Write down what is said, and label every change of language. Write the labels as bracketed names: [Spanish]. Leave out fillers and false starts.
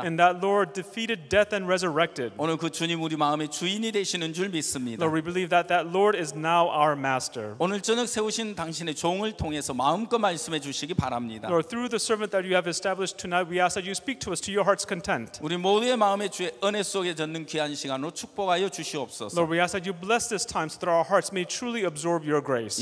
[English] And that Lord defeated death and resurrected. [Korean] 오늘 그 주님 우리 마음의 주인이 되시는 줄 믿습니다. [English] Lord, we believe that that Lord is now our master. [Korean] 오늘 저녁 세우신 당신의 종을 통해서 마음껏 말씀해 주시기 바랍니다. [English] Lord, through the servant that you have established tonight, we ask that you speak to us to your heart's content. [Korean] 우리 모두의 마음에 주의 은혜 속에 젖는 귀한 시간으로 축복하여 주시옵소서. [English] Lord, we ask that you bless this time so that our hearts may truly absorb your grace.